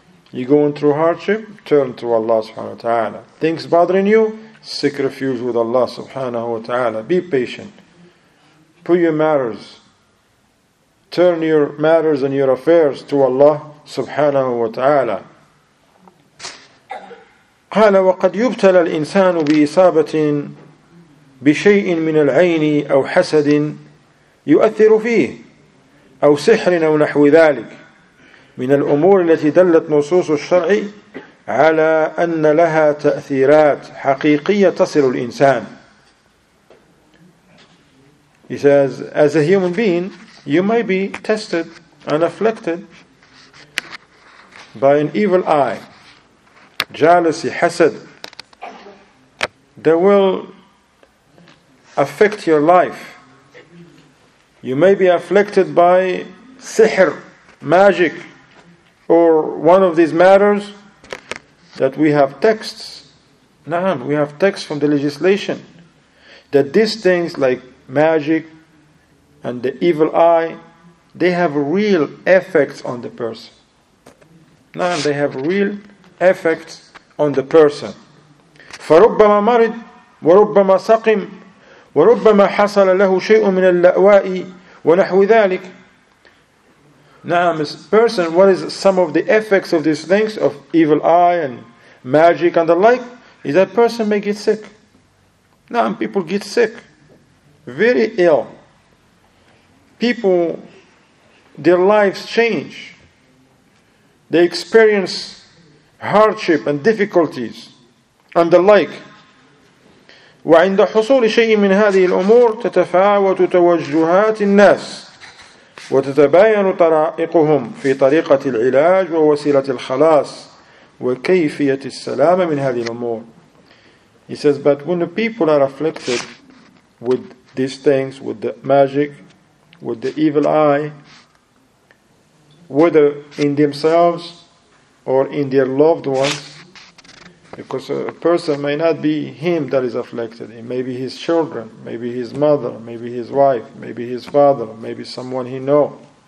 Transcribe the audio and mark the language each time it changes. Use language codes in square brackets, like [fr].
[en] You're going through hardship, turn to Allah subhanahu wa ta'ala. Things bothering you, seek refuge with Allah subhanahu wa ta'ala. Be patient. put your matters, turn your matters and your affairs to Allah subhanahu wa ta'ala. [ar] قال وقد يبتلى الإنسان بإصابة بشيء من العين أو حسد يؤثر فيه أو سحر أو نحو ذلك من الأمور التي دلت نصوص الشرع على أن لها تأثيرات حقيقية تصل الإنسان. [en] He says, as a human being, you may be tested and afflicted by an evil eye. Jealousy, hasad, they will affect your life. You may be afflicted by sihr, magic, or one of these matters that we have texts. Naam, we have texts from the legislation that these things like magic and the evil eye, they have real effects on the person. Naam, they have real effects on the person. [ar] فربما مرض وربما سقم وربما حصل له شيء من اللأواء ونحو ذلك. [en] نعم, this person, what is some of the effects of these things of evil eye and magic and the like? Is that person may get sick. نعم, people get sick, very ill. People, their lives change. They experience hardship and difficulties and the like. [ar] وعند حصول شيء من هذه الأمور تتفاوت توجهات الناس وتتباين طرائقهم في طريقة العلاج ووسيلة الخلاص وكيفية السلامة من هذه الأمور. [en] He says, but when the people are afflicted with these things, with the magic, with the evil eye, whether in themselves or in their loved ones, because a person may not be him that is afflicted, it may be his children, maybe his mother, maybe his wife, maybe his father, maybe someone he know.